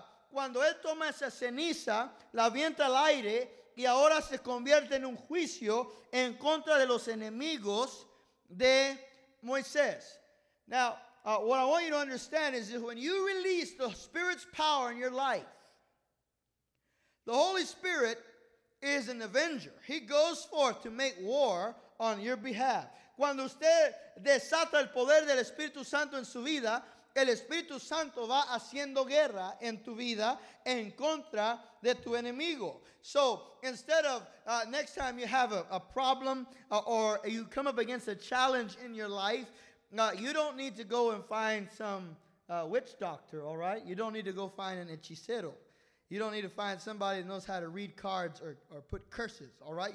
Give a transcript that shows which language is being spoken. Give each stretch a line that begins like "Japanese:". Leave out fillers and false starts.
Spanish: Cuando él toma esa ceniza, la avienta al aire y ahora se convierte en un juicio en contra de los enemigos de Moisés.
English: Now, what I want you to understand is that when you release the Spirit's power in your life, the Holy Spirit is an avenger. He goes forth to make war on your behalf.
Spanish: Cuando usted desata el poder del Espíritu Santo en su vida, el Espíritu Santo va haciendo guerra en tu vida en contra de tu enemigo.
English: So instead of next time you have a problem or you come up against a challenge in your life, you don't need to go and find some witch doctor, all right? You don't need to go find an hechicero. You don't need to find somebody that knows how to read cards or put curses, all right?